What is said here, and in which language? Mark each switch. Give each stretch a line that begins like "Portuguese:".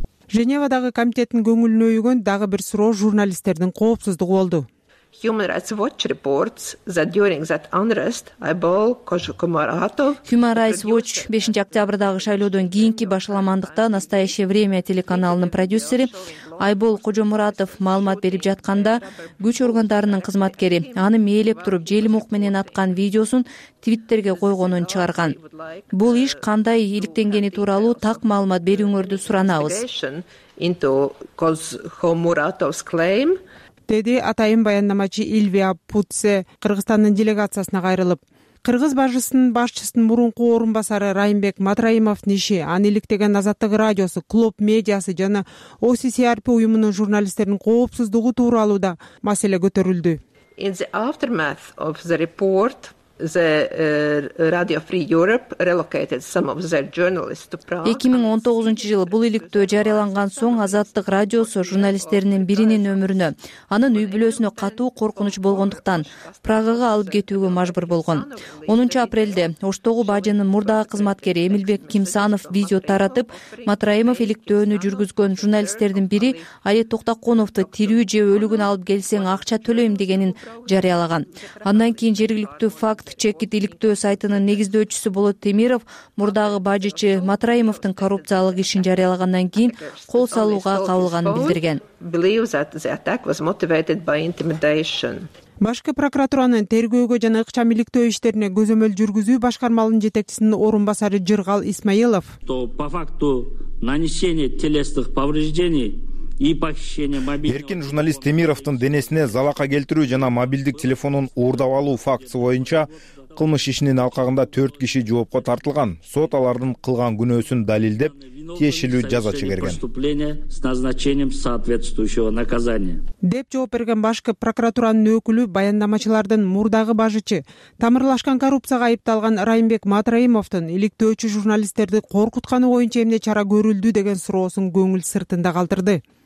Kyrgyz: Женевадагы комитеттин көңүлүн өйгөн дагы бир суроо журналисттердин коопсуздугу болду.
English: Human Rights Watch reports that during that unrest, Aybol Кожокумаратов
Kyrgyz: Human Rights Watch 5 октябрдагы шайлоодон кийинки башаламандыкта Настоящее время телеканалынын продюсери Aybol Кожомуратов маалымат берип жатканда күч органдарынын кызматкери аны мээлеп туруп желимок менен аткан видеосун Твиттерге койгонун чыгарган. Бул иш кандай иликтенгени тууралуу так маалымат берүүңөрдү суранабыз. деди атайын баяндамачы Илвия Путсе Кыргызстандын делегациясына кайрылып. Кыргыз башчысынын мурунку орун басары Райымбек Матраимовдун иши, аны иликтеген Азаттык радиосу, Клуб медиасы жана OCCRP уюмунун журналисттеринин коопсуздугу тууралуу да маселе көтөрүлдү.
English: In the aftermath of the report, the Radio Free Europe relocated some of their journalists to Prague.
Kyrgyz: 2019 жылы бул иликтөө жарыяланган соң Азаттык радиосу журналисттеринин биринин өмүрүнө, анын үй бүлөсүнө катуу коркунуч болгондуктан Прагага алып кетүүгө мажбур болгон. 10-апрелде Оштогу бажынын мурдагы кызматкери Эмилбек Кимсанов видео таратып, Матраимов иликтөөнү жүргүзгөн журналисттердин бири Али Токтоконовду тирүү же өлүгүн алып келсең акча төлөйм дегенин жарыялаган. Андан кийин жергиликтүү факт чекит иликтөө сайтынын негиздөөчүсү Болот Темиров мурдагы бажычы Матраимовдун коррупциялык ишин жарыялагандан кийин кол салууга кабылганын билдирген. Башкы прокуратуранын тергөөгө жана ыкчам иликтөө иштерине көзөмөл жүргүзүү башкармалыгынын жетекчисинин орун басары Жыргал Исмаилов.
Russian: По факту нанесения телесных повреждений
Kyrgyz: Эркин журналист Темировдун денесине залака келтирүү жана мобилдик телефонун уурдап алуу фактысы боюнча кылмыш ишинин алкагында 4 киши жоопко тартылган. Сот алардын кылган күнөөсүн далилдеп, тиешелүү жаза чыгарган. Деп жооп берген башкы прокуратуранын өкүлү баяндамачылардын мурдагы бажычы, тамырлашкан коррупцияга айыпталган Райымбек Матраимовдун иликтөөчү журналисттерди коркутканы боюнча эмне чара көрүлдү деген суроосун көңүл сыртында калтырды.